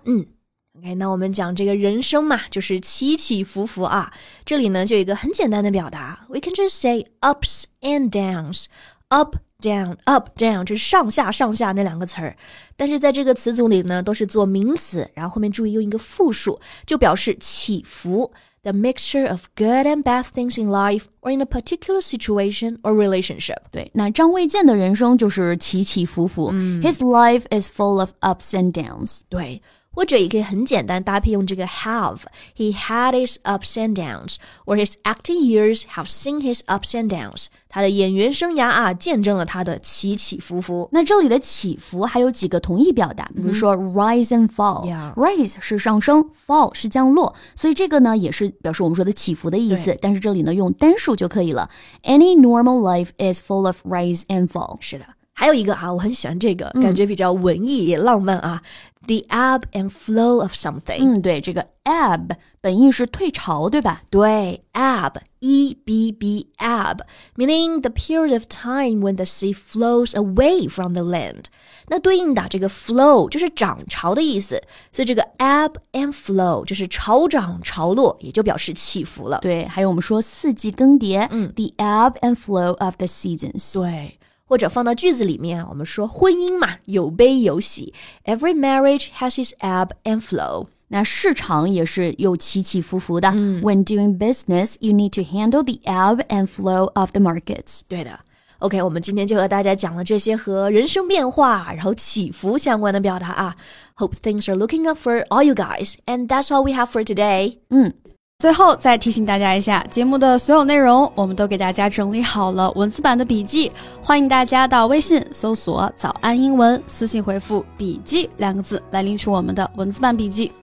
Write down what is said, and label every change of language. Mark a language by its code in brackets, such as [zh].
[zh] 嗯 OK, 那我们讲这个人生嘛，就是起起伏伏啊。这里呢就有一个很简单的表达， [en] We can just say ups and downs, upDown, up, down, [zh] 这是上下上下那两个词儿。但是在这个词组里呢，都是做名词，然后后面注意用一个复数，就表示起伏。 [en] The mixture of good and bad things in life or in a particular situation or relationship. [zh] 对，那张卫健的人生就是起起伏伏。 [en] His life is full of ups and downs. [zh] 对，或者也可以很简单搭配用这个 have. [en] He had his ups and downs, or his acting years have seen his ups and downs. [zh] 他的演员生涯啊，见证了他的起起伏伏。那这里的起伏还有几个同义表达，比如说 rise and fall、 yeah. rise 是上升， fall 是降落，所以这个呢也是表示我们说的起伏的意思，但是这里呢用单数就可以了。 [en] Any normal life is full of rise and fall. [zh] 是的，还有一个啊，我很喜欢这个感觉，比较文艺也浪漫啊。 [en] The ebb and flow of something. [zh] 嗯，对，这个 ebb 本意是退潮，对吧？ [en] 对， ebb, E-B-B, ebb, meaning the period of time when the sea flows away from the land. [zh] 那对应的这个 flow 就是涨潮的意思，所以这个 ebb and flow 就是潮涨潮落，也就表示起伏了。对，还有我们说四季更迭， [en] The ebb and flow of the seasons. [zh] 对。或者放到句子里面，我们说婚姻嘛，有悲有喜。 [en] Every marriage has its ebb and flow. [zh] 那市场也是有起起伏伏的。嗯、 [en] When doing business, you need to handle the ebb and flow of the markets. [zh] 对的。 OK, 我们今天就和大家讲了这些和人生变化，然后起伏相关的表达啊。 [en] Hope things are looking up for all you guys. And that's all we have for today. 嗯。 [zh] 最后再提醒大家一下，节目的所有内容我们都给大家整理好了文字版的笔记，欢迎大家到微信搜索早安英文，私信回复笔记两个字来领取我们的文字版笔记。